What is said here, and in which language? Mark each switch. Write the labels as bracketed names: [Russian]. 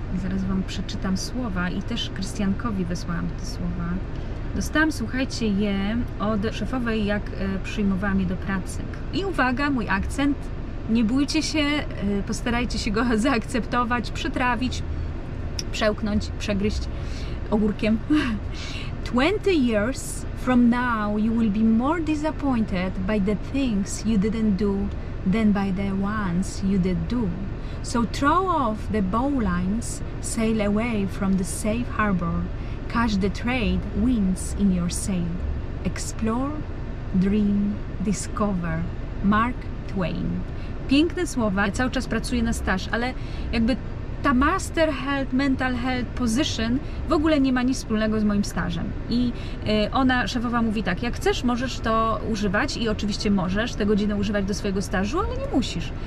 [Polish] Zaraz wam przeczytam słowa i też Krystiankowi wysłałam te słowa. Dostałam, słuchajcie, je od szefowej, jak przyjmowała mnie do pracy. I uwaga, mój akcent, nie bójcie się, postarajcie się go zaakceptować, przetrawić, przełknąć, przegryźć ogórkiem. [English] 20 years from now, you will be more disappointed by the things you didn't do than by the ones you did do. So throw off the bowlines, sail away from the safe harbor, catch the trade winds in your sail. Explore, dream, discover. [Polish] Mark Twain. Piękne słowa. Cały czas pracuję na staż, ale jakby ta [English] master health, mental health position [Polish] w ogóle nie ma nic wspólnego z moim stażem. I ona, szefowa, mówi tak, jak chcesz, możesz to używać i oczywiście możesz tę godzinę używać do swojego stażu, ale nie musisz.